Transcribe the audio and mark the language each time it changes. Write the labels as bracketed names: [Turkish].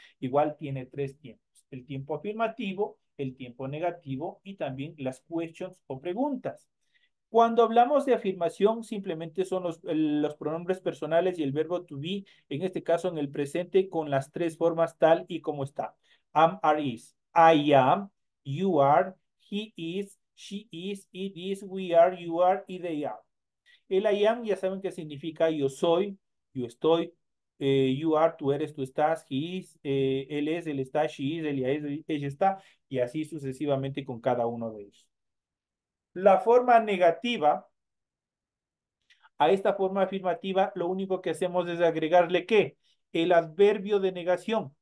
[Spanish] Igual tiene tres tiempos: el tiempo afirmativo, el tiempo negativo y también las questions o preguntas. Cuando hablamos de afirmación, simplemente son los pronombres personales y el verbo to be, en este caso en el presente, con las tres formas tal y como está. [English] Am, are, is. I am, you are, he is, she is, it is, we are, you are, y they are. [Spanish] El [English] I am, [Spanish] ya saben qué significa: yo soy, yo estoy, [English] you are, [Spanish] tú eres, tú estás, [English] he is, [Spanish] él es, él está, [English] she is, [Spanish] ella es, ella está, y así sucesivamente con cada uno de ellos. La forma negativa, a esta forma afirmativa, lo único que hacemos es agregarle que el adverbio de negación.